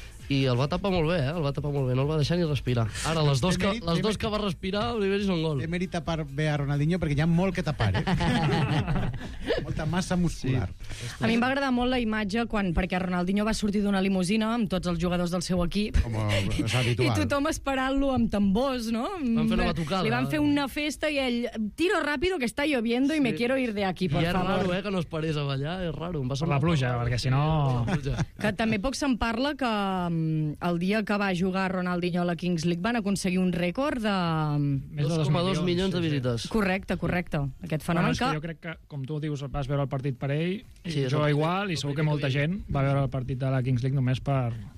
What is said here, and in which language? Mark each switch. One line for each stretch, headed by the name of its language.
Catalan: I el va tapar molt bé, eh? No el va deixar ni respirar. Ara, les dues que va respirar, li veus un gol. Té mèrit tapar bé a Ronaldinho, perquè hi ha molt que tapar, eh? Molta massa muscular. Sí. A mi em va agradar molt la imatge, perquè Ronaldinho va sortir d'una limusina amb tots els jugadors del seu equip. Com és habitual. I tothom esperant-lo amb tambors, no? Van fer una batucada. Li van fer una festa i ell...
Spanish: Tiro ràpido, que está lloviendo, sí. Y me quiero ir de aquí, por favor.
Catalan: I és raro, que no es parés a ballar, és raro. Em va semblar la pluja, perquè si no... Que també poc se'n parla que... El dia que va jugar Ronaldinho a la Kings League van aconseguir un rècord de... 2,2 milions de visites. Correcte. Aquest fenomen que... Jo crec que, com tu dius, vas veure el partit per ell, sí, jo igual, i segur que molta gent va veure el partit de la Kings League només per